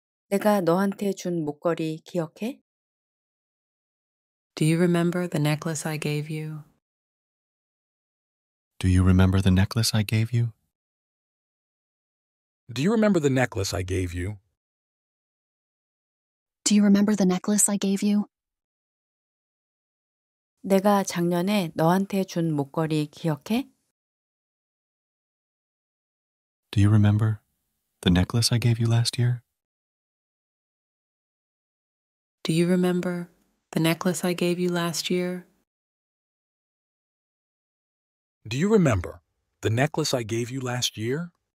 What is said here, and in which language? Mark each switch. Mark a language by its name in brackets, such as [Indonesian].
[Korean] 내가 너한테 준 목걸이 기억해? [English] Do you remember the necklace I gave you? Do you remember the necklace I gave you? Do you remember the necklace I gave you? Do you remember the necklace I gave you? [Korean] 내가 작년에 너한테 준 목걸이 기억해? [English] Do you remember the necklace I gave you last year? Do you remember the necklace I gave you last year? Do you remember the necklace I gave you last year?